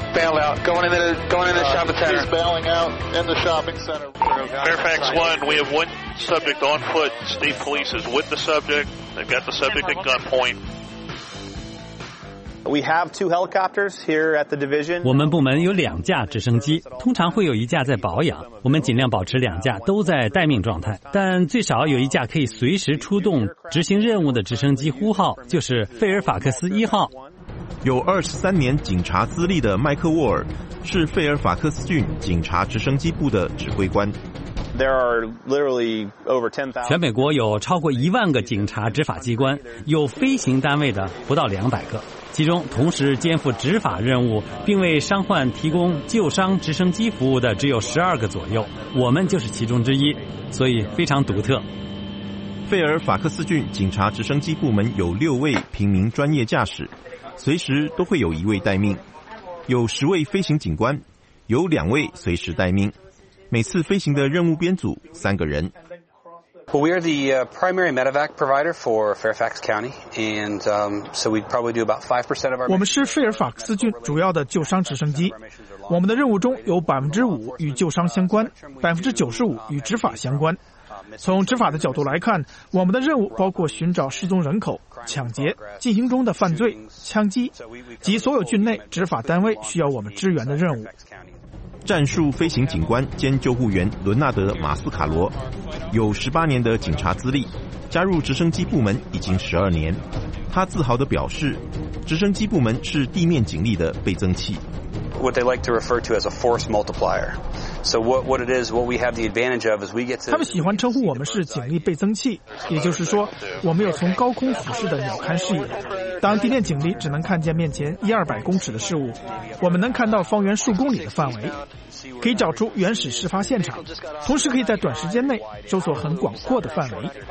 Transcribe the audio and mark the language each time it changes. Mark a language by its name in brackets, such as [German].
[English] the... Bail out. Going in the shopping center. He's bailing out in the shopping center. Fairfax One, we have one subject on foot. State police is with the subject. They've got the subject at gunpoint. We have two helicopters here at the division. [Chinese] 我们部门有两架直升机，通常会有一架在保养，我们尽量保持两架都在待命状态，但最少有一架可以随时出动执行任务的直升机呼号，就是费尔法克斯一号。有23年警察资历的麦克沃尔是费尔法克斯郡警察直升机部的指挥官。 [English] There are literally over 10,000. [Chinese] 全美国有超过10,000个警察执法机关，有飞行单位的不到200个。其中同时肩负执法任务并为伤患提供救伤直升机服务的只有12个左右，我们就是其中之一，所以非常独特。费尔法克斯郡警察直升机部门有6位平民专业驾驶，随时都会有一位待命，有10位飞行警官，有2位随时待命，每次飞行的任务编组3个人。 [English] Well, we are the primary medevac provider for Fairfax County, and so we probably do about 5% of our. [Chinese] 我们是费尔法克斯郡主要的救伤直升机。我们的任务中有5%与救伤相关，95%与执法相关。从执法的角度来看，我们的任务包括寻找失踪人口、抢劫、进行中的犯罪、枪击及所有郡内执法单位需要我们支援的任务。战术飞行警官兼救护员伦纳德·马斯卡罗有18年的警察资历，加入直升机部门已经12年。他自豪地表示，直升机部门是地面警力的倍增器。 [English] What they like to refer to as a force multiplier. So what it is, what we have the advantage of is we get to. [Chinese] 他们喜欢称呼我们是警力倍增器，也就是说，我们有从高空俯视的鸟瞰视野。当地面警力只能看见面前100-200公尺的事物，我们能看到方圆数公里的范围，可以找出原始事发现场，同时可以在短时间内搜索很广阔的范围。